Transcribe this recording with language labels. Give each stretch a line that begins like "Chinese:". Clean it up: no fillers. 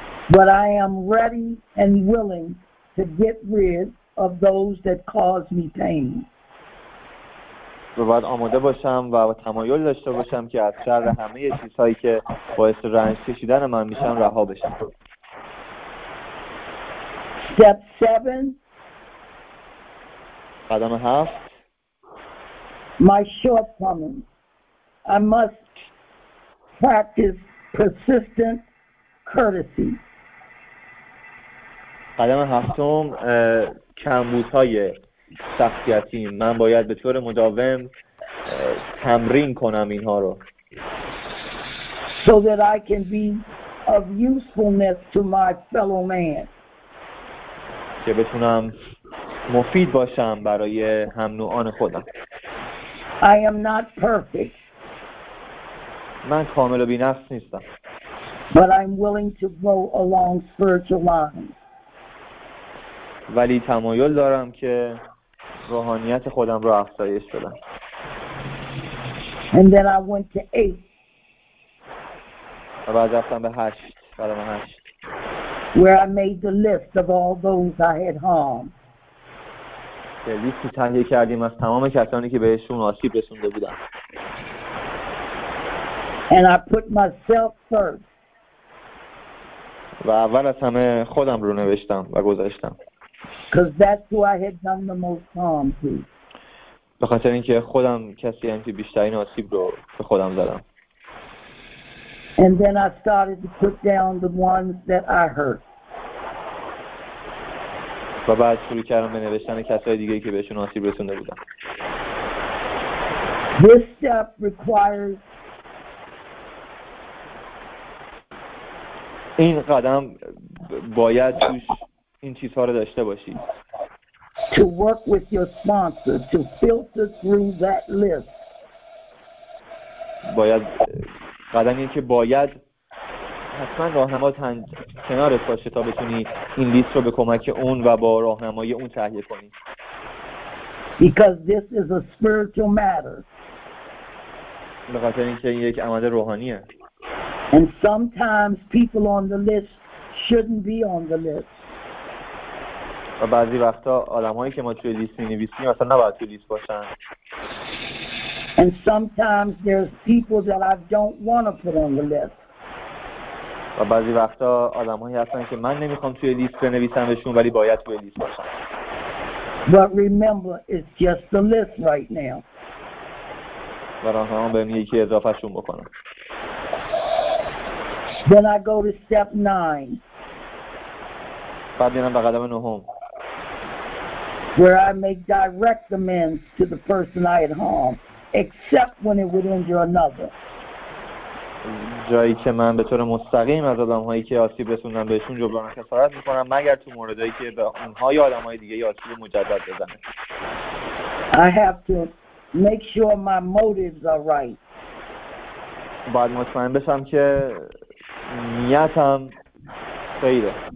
English: But I am ready and willing to get rid of those that cause me pain.
Persian: و باید آماده باشم و تمایل داشته باشم که از شر همه چیزهایی که باعث رنج کشیدن من میشن رها بشم.
English: Step 7.
Persian: قدم 7.
English: My shortcomings. I must practice persistent courtesy.
Persian: قدم 7 کمبودهای شخصیتی. من باید به طور مداوم تمرین کنم اینها رو.
English: So that I can be of usefulness to my fellow man.
Persian: که بتونم مفید باشم برای هم نوعان خودم.
English: I am not perfect.
Persian: من کامل و بی نقص نیستم.
English: But I'm willing to go along spiritual lines.
Persian: ولی تمایل دارم که روحانیت خودم رو افزایش بدم.
English: And then I went to 8.
Persian: و بعد رفتم به 8. قدم 8.
English: Where I made the list of all those I had harmed.
Persian: که لیستی تهیه کردیم از تمام کسانی که بهشون آسیب رسونده بودم.
English: And I put myself first.
Persian: و اول از همه خودم رو نوشتم و گذاشتم.
English: Because that's who I had done the most harm to.
Persian: به خاطر اینکه خودم کسی هم که بیشترین آسیب رو به خودم زدم.
English: And then I started to put down the ones that I hurt.
Persian: و بعد شروع کردم به نوشتن کسای دیگه که بهشون آسیب رسونده بودم.
English: This step requires
Persian: این قدم باید توش این چیزها رو داشته باشی.
English: To work with your sponsor to filter through that list.
Persian: باید قدم این که باید حتما راهنما کنارت باشه تا بتونی این لیست رو به کمک اون و با راهنمای اون تهیه کنی.
English: Because this is a spiritual matter.
Persian: به خاطر این که این یک عمل روحانیه.
English: And sometimes people on the list shouldn't be on the list.
Persian: و بعضی وقتا آدمایی که ما توی لیست می‌نویسیم اصلا نباید توی لیست باشن.
English: And sometimes there's people that I don't want to put on the list.
Persian: و بعضی وقتا آدمایی هستن که من نمی‌خوام توی لیست بنویسمشون ولی باید توی لیست باشن.
English: But remember it's just the list right now.
Persian: و راهنما بهم میگه که اضافه‌شون بکنم.
English: Then I go to step 9.
Persian: بعد میرم به قدم 9.
English: Where I make direct amends to the person I had harmed, except when it would injure another.
Persian: جایی که من به طور مستقیم از آدم‌هایی که آسیب رسوندم بهشون جبران خسارت می‌کنم مگر تو موردهایی که به اونها یا آدم‌های دیگه آسیب مجدد بزنه.
English: I have to make sure my motives are right.
Persian: باید مطمئن بشم که نیتم صحیحه.